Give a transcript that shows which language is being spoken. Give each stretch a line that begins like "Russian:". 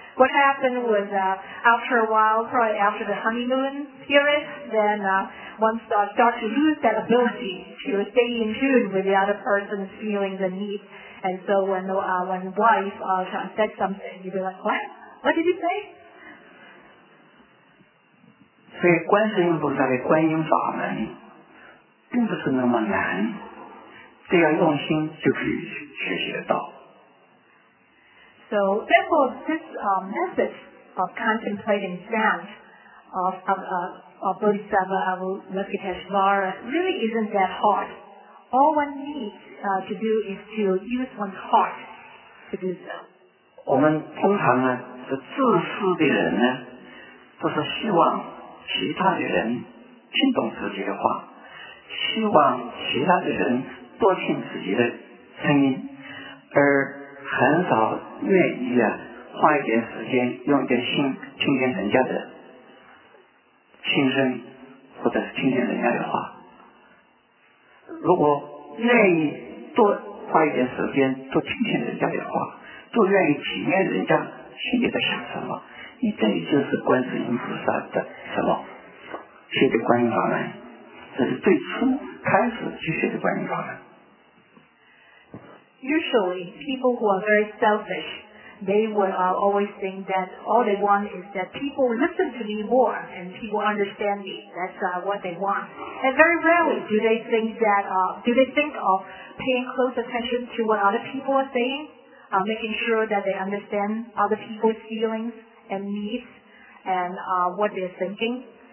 English: What happened was after a while, probably after the honeymoon period, then one starts to lose that ability to stay in tune with the other person's feelings and needs. And so when wife said something, you'd be like, what? What did you say?
Chinese: 所以观世音菩萨的观音法门并不是那么难，只要用心就可以学习得到。
English: So therefore, this method of contemplating sound of Bodhisattva Avalokiteshvara really isn't that hard. All one needs. To do is to use one's heart to do so.
Chinese: 我们通常呢，是自私的人呢，都是希望其他的人听懂自己的话，希望其他的人多听自己的声音，而很少愿意啊，花一点时间用一点心听听人家的心声，或者是听听人家的话。如果愿意。多花一点时间多听听人家的话，多愿意体验人家心里在想什么，你这里就是观世音菩萨的什么学的观音法门，这是最初开始去学的观音法门。
English: Usually people who are very selfish, they would always think that all they want is that people listen to me more and people understand me, that's what they want, and very rarely do they think of paying close attention to what other people are saying, making sure that they understand other people's feelings and needs and what they're thinking.